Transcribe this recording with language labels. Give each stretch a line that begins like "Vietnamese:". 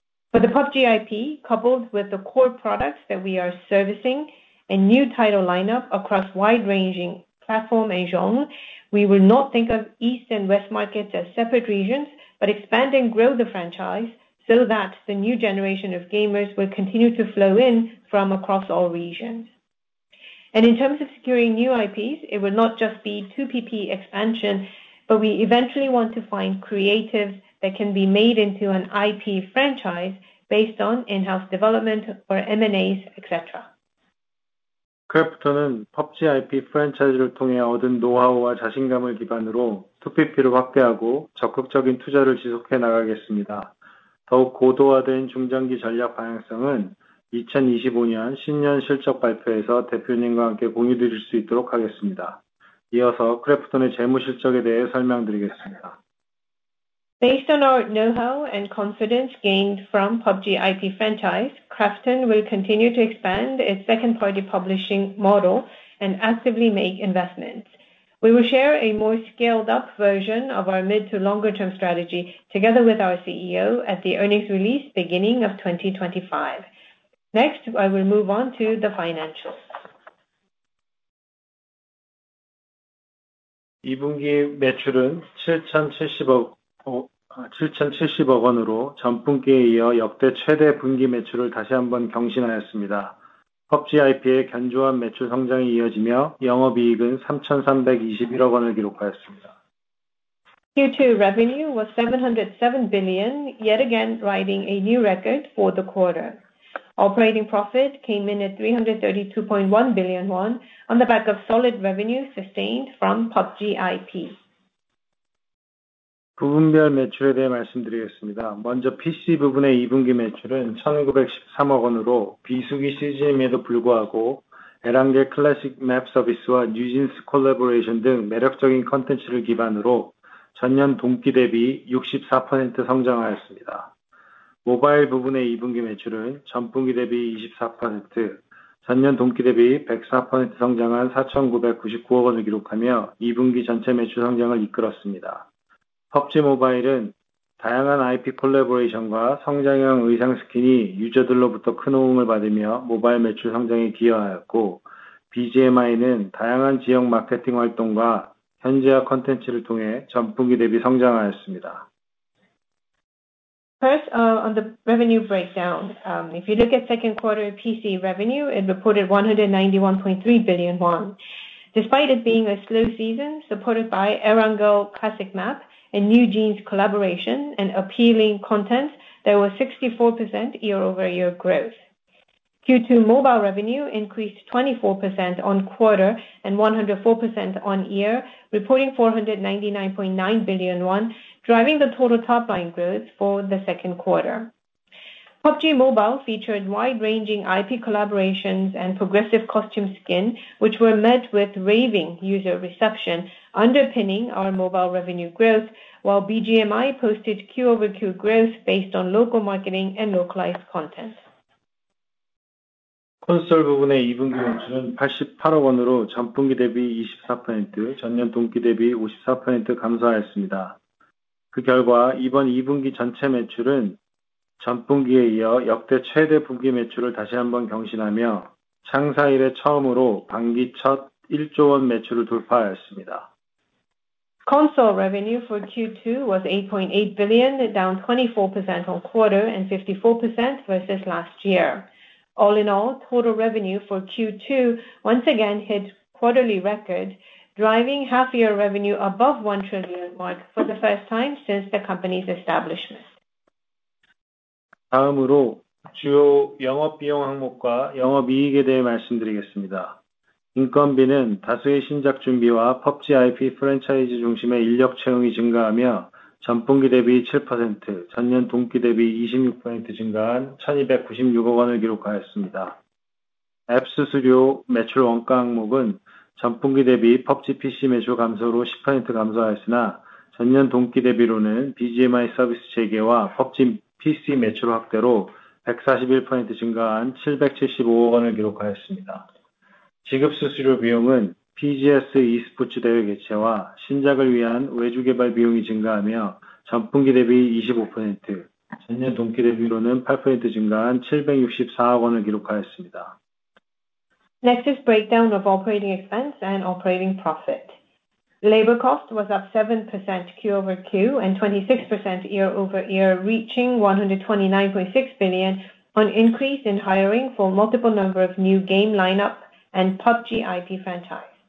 English: For the PUBG IP, coupled with the core products that we are servicing and new title lineup across wide-ranging platform and genre, we will not think of East and West markets as separate regions, but expand and grow the franchise so that the new generation of gamers will continue to flow in from across all regions. And in terms of securing new IPs, it will not just be 2PP expansion, but we eventually want to find creatives that can be made into an IP franchise based on in-house development or M&As, etc.
Korean: 크래프톤은 PUBG IP 프랜차이즈를 통해 얻은 노하우와 자신감을 기반으로 2PP를 확대하고 적극적인 투자를 지속해 나가겠습니다. 더욱 고도화된 중장기 전략 방향성은 2025년 신년 실적 발표에서 대표님과 함께 공유드릴 수 있도록 하겠습니다. 이어서 크래프톤의 재무 실적에 대해 설명드리겠습니다.
English: Based on our know-how and confidence gained from PUBG IP franchise, Krafton will continue to expand its second-party publishing model and actively make investments. We will share a more scaled-up version of our mid- to longer-term strategy together with our CEO at the earnings release beginning of 2025. Next, I will move on to the financials.
Korean: 2분기 매출은 7,070억 원으로 전분기에 이어 역대 최대 분기 매출을 다시 한번 경신하였습니다. PUBG IP의 견조한 매출 성장이 이어지며 영업이익은 3,321억 원을 기록하였습니다.
English: Q2 revenue was 707 billion, yet again riding a new record for the quarter. Operating profit came in at 332.1 billion won on the back of solid revenue sustained from PUBG IP.
Korean: 부분별 매출에 대해 말씀드리겠습니다. 먼저 PC 부분의 2분기 매출은 1913억 원으로 비수기 시즌임에도 불구하고 에랑게 클래식 맵 서비스와 뉴진스 콜라보레이션 등 매력적인 컨텐츠를 기반으로 전년 동기 대비 64% 성장하였습니다. 모바일 부분의 2분기 매출은 전분기 대비 24%, 전년 동기 대비 104% 성장한 4,999억 원을 기록하며 2분기 전체 매출 성장을 이끌었습니다. 펍지 모바일은 다양한 IP 콜라보레이션과 성장형 의상 스킨이 유저들로부터 큰 호응을 받으며 모바일 매출 성장에 기여하였고, BGMI는 다양한 지역 마케팅 활동과 현지화 컨텐츠를 통해 전분기 대비 성장하였습니다.
English: First, on the revenue breakdown, if you look at second quarter PC revenue, it reported 191.3 billion won. Despite it being a slow season, supported by Erangel Classic Map and New Jeans collaboration and appealing content, there was 64% year-over-year growth. Q2 mobile revenue increased 24% on quarter and 104% on year, reporting 499.9 billion won, driving the total top-line growth for the second quarter. PUBG Mobile featured wide-ranging IP collaborations and progressive costume skin, which were met with raving user reception, underpinning our mobile revenue growth, while BGMI posted Q-over-Q growth based on local marketing and localized content.
Korean: 콘솔 부분의 2분기 매출은 88억 원으로 전분기 대비 24%, 전년 동기 대비 54% 감소하였습니다. 그 결과 이번 2분기 전체 매출은 전분기에 이어 역대 최대 분기 매출을 다시 한번 경신하며 창사 이래 처음으로 반기 첫 1조 원 매출을 돌파하였습니다.
English: Console revenue for Q2 was 8.8 billion, down 24% on quarter and 54% versus last year. All in all, total revenue for Q2 once again hit quarterly record, driving half-year revenue above 1 trillion mark for the first time since the company's establishment.
Korean: 다음으로 주요 영업비용 항목과 영업이익에 대해 말씀드리겠습니다. 인건비는 다수의 신작 준비와 PUBG IP 프랜차이즈 중심의 인력 채용이 증가하며 전분기 대비 7%, 전년 동기 대비 26% 증가한 1,296억 원을 기록하였습니다. 앱 수수료 매출 원가 항목은 전분기 대비 PUBG PC 매출 감소로 10% 감소하였으나 전년 동기 대비로는 BGMI 서비스 재개와 PUBG PC 매출 확대로 141% 증가한 775억 원을 기록하였습니다. 지급 수수료 비용은 PGS e스포츠 대회 개최와 신작을 위한 외주 개발 비용이 증가하며 전분기 대비 25%, 전년 동기 대비로는 8% 증가한 764억 원을 기록하였습니다.
English: Next is breakdown of operating expense and operating profit. Labor cost was up 7% Q over Q and 26% year over year, reaching 129.6 billion on increase in hiring for multiple number of new game lineup and PUBG IP franchise.